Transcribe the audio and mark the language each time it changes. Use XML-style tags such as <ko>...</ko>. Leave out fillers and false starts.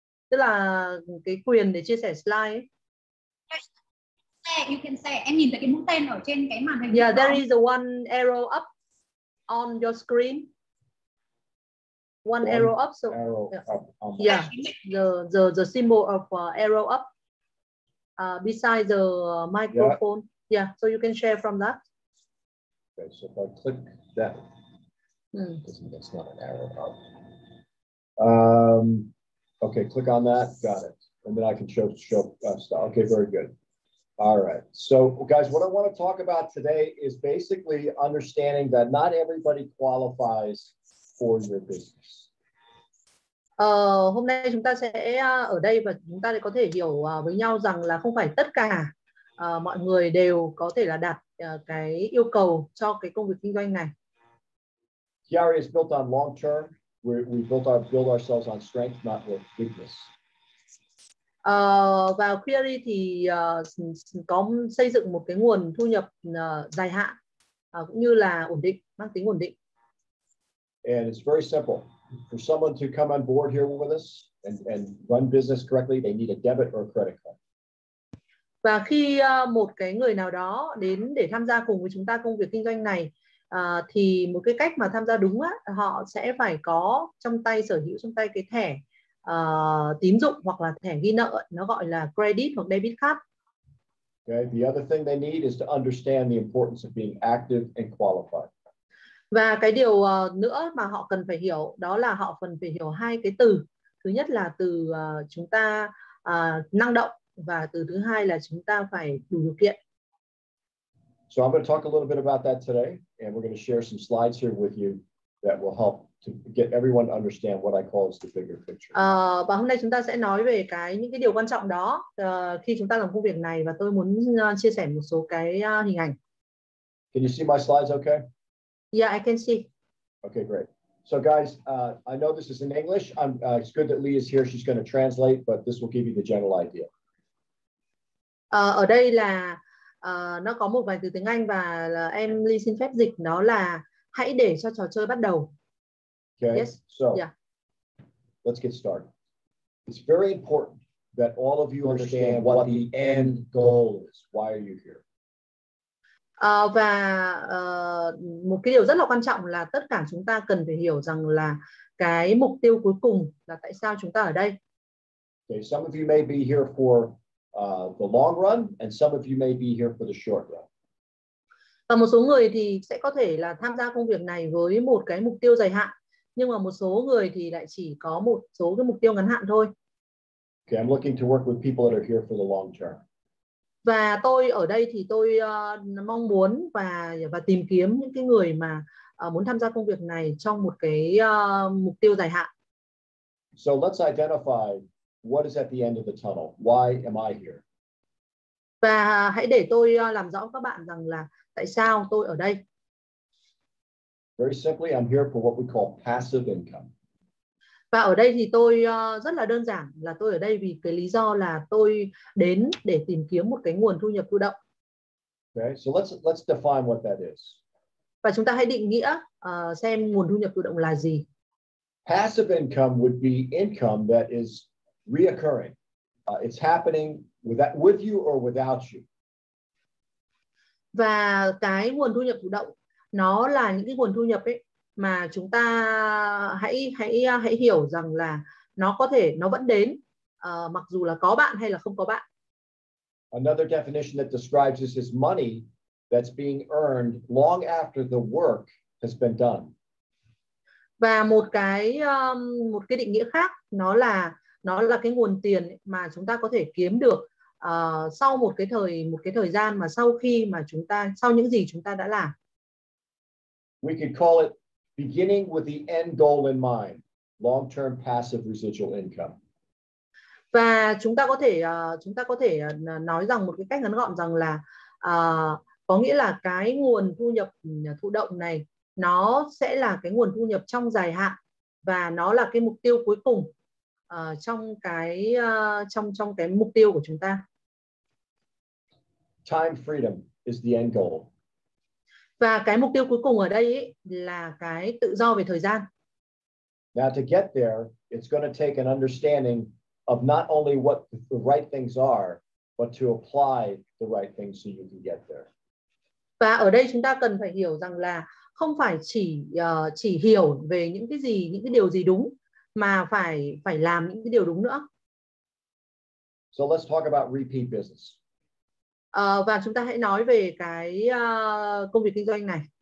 <vi>Tức là cái quyền để chia sẻ slide.</vi> <en>Yes. You can say,</en> <vi>em nhìn thấy cái mũi tên ở trên cái màn hình.</vi> <en>Yeah, there is one arrow up on your screen. One arrow up. So arrow the symbol of arrow up. Besides the microphone, yeah, so you can share from that. Okay, so if I click that, that's not an arrow up. Okay, click on that, got it, and then I can show stuff. Okay, very good. All right, so guys, what I want to talk about today is basically understanding that not everybody qualifies for your business.</en> <vi>Hôm nay chúng ta sẽ ở đây và chúng ta có thể hiểu với nhau rằng là không phải tất cả mọi người đều có thể là đạt cái yêu cầu cho cái công việc kinh doanh này.</vi> <en>Quiary is built on long term. We build ourselves on strength, not with weakness.</en> <vi>Và Quiary thì có xây dựng một cái nguồn thu nhập dài hạn cũng như là ổn định, mang tính ổn định.</vi> <en>And it's very simple. For someone to come on board here with us and run business correctly, they need a debit or a credit card.</en> <vi>Và khi một cái người nào đó đến để tham gia cùng với chúng ta công việc kinh doanh này, thì một cái cách mà tham gia đúng á, họ sẽ phải có trong tay, sở hữu trong tay cái thẻ tín dụng hoặc là thẻ ghi nợ, nó gọi là credit hoặc debit card.</vi> <en>Okay. The other thing they need is to understand the importance of being active and qualified.</en> <vi>Và cái điều nữa mà họ cần phải hiểu, đó là họ cần phải hiểu hai cái từ. Thứ nhất là từ chúng ta năng động, và từ thứ hai là chúng ta phải đủ điều kiện.</vi> <en>So I'm going to talk a little bit about that today, and we're going to share some slides here with you that will help to get everyone to understand what I call is the bigger picture.</en> <vi>Và hôm nay chúng ta sẽ nói về cái những cái điều quan trọng đó khi chúng ta làm công việc này, và tôi muốn chia sẻ một số cái hình ảnh.</vi> <en>Can you see my slides okay? Yeah, I can see. Okay, great. So guys, I know this is in English. It's good that Lee is here. She's going to translate, but this will give you the general idea.</en> <vi>Ở đây là nó có một vài từ tiếng Anh, và em Lee xin phép dịch, nó là hãy để cho trò chơi bắt đầu.</vi> <en>Okay, yes. So yeah. Let's get started. It's very important that all of you understand what the end goal is. Why are you here?</en> <vi>Và một cái điều rất là quan trọng là tất cả chúng ta cần phải hiểu rằng là cái mục tiêu cuối cùng là tại sao chúng ta ở đây.</vi> <en>Okay, some of you may be here for the long run, and some of you may be here for the short run.</en> <vi>Và một số người thì sẽ có thể là tham gia công việc này với một cái mục tiêu dài hạn, nhưng mà một số người thì lại chỉ có một số cái mục tiêu ngắn hạn thôi.</vi> <en>Okay, I'm looking to work with people that are here for the long term.</en> <vi>Và tôi ở đây thì tôi mong muốn và tìm kiếm những cái người mà muốn tham gia công việc này trong một cái mục tiêu dài hạn.</vi> <en>So let's identify what is at the end of the tunnel. Why am I here?</en> <vi>Và hãy để tôi làm rõ các bạn rằng là tại sao tôi ở đây.</vi> <en>Very simply, I'm here for what we call passive income.</en> <vi>Và ở đây thì tôi rất là đơn giản là tôi ở đây vì cái lý do là tôi đến để tìm kiếm một cái nguồn thu nhập thụ động.</vi> <en>Okay, so let's define what that is.</en> <vi>Và chúng ta hãy định nghĩa xem nguồn thu nhập thụ động là gì.</vi> <en>Passive income would be income that is reoccurring. It's happening with you or without you.</en> <vi>Và cái nguồn thu nhập thụ động nó là những cái nguồn thu nhập ấy mà chúng ta hãy hiểu rằng là nó có thể nó vẫn đến mặc dù là có bạn hay là không có bạn.</vi> <en>Another definition that describes this is money that's being earned long after the work has been done.</en> <vi>Và một cái định nghĩa khác nó là cái nguồn tiền mà chúng ta có thể kiếm được sau một cái thời gian mà sau những gì chúng ta đã làm.</vi> <en>We could call it beginning with the end goal in mind, long-term passive residual income.</en> <vi>Và chúng ta có thể nói rằng một cái cách ngắn gọn rằng là có nghĩa là cái nguồn thu nhập thụ động này nó sẽ là cái nguồn thu nhập trong dài hạn và nó là cái mục tiêu cuối cùng trong cái mục tiêu của chúng ta.</vi> <en>Time freedom is the end goal.</en> <vi>Và cái mục tiêu cuối cùng ở đây ý, là cái tự do về thời gian.</vi> <en>Now to get there, it's going to take an understanding of not only what the right things are, but to apply the right things so you can get there.</en> <vi>Và ở đây chúng ta cần phải hiểu rằng là không phải chỉ hiểu về những cái điều gì đúng, mà phải làm những cái điều đúng nữa.</vi> <en>So let's talk about repeat business.</en> <vi>Và chúng ta hãy nói về cái công việc kinh doanh này.</vi>